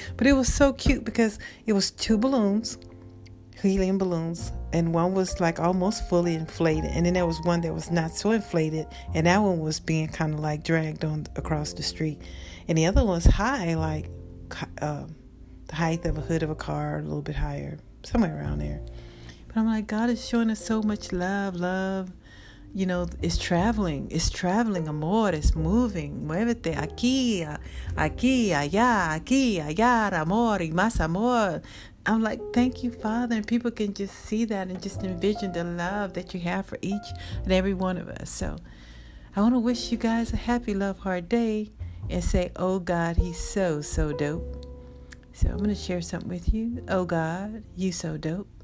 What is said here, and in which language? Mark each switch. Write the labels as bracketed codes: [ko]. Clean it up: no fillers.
[en] But it was so cute because it was two balloons, helium balloons, and one was like almost fully inflated, and then there was one that was not so inflated, and that one was being kind of like dragged on across the street, and the other one was high, like the height of a hood of a car, a little bit higher, somewhere around there. But I'm like, God is showing us so much love. Love, you know, is traveling. It's traveling. Amor is moving. [es] Muévete aquí, aquí, allá, aquí, allá, amor y más amor. [en] I'm like, thank you, Father. And people can just see that and just envision the love that you have for each and every one of us. So I want to wish you guys a happy Love Heart Day and say, oh, God, he's so, so dope. So I'm going to share something with you. Oh, God, you so dope.